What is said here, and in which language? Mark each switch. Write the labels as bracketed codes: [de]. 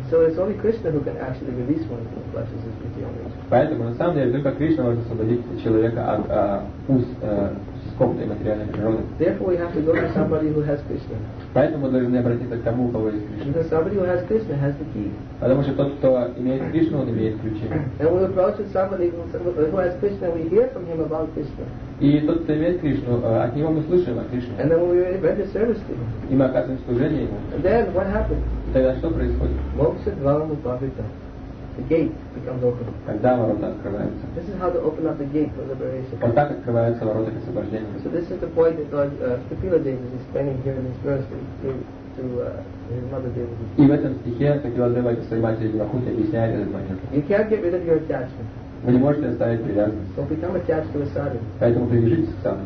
[en] So it's only Krishna who can actually release one from clutches of material. [ru] Поэтому на самом деле только Кришна может освободить человека от уз скопной материальной природы. [en] Therefore we have to go to somebody who has Krishna. [ru] Поэтому мы должны обратиться к тому, у кого есть Кришна. [en] Because somebody who has Krishna has the key. [ru] Потому что тот, кто имеет Кришну, он имеет ключи. [en] And we approach somebody who has Krishna, we hear from him about Krishna. [ru] И тот, кто имеет Кришну, от него мы слышим о Кришне. [en] And then we render service to him. [ru] И мы оказываем служение ему. [en] And then what happens? [ru] Тогда что происходит? [sa] Moksha dvaram upavita. [en] The gate becomes open. [ru] Когда ворота открываются. [en] This is how to open up the gate for liberation. [ru] Вот так открываются ворота к освобождению. [en] So this is the point that Kapila Devi is explaining here in this verse to his mother Devi. [ru] И в этом стихе Kapila Devi своей матери Девахути объясняет этот момент. [en] You can't get rid of your attachment. [ru] Вы не можете оставить привязанность. [en] So [ru] поэтому привяжитесь к саду.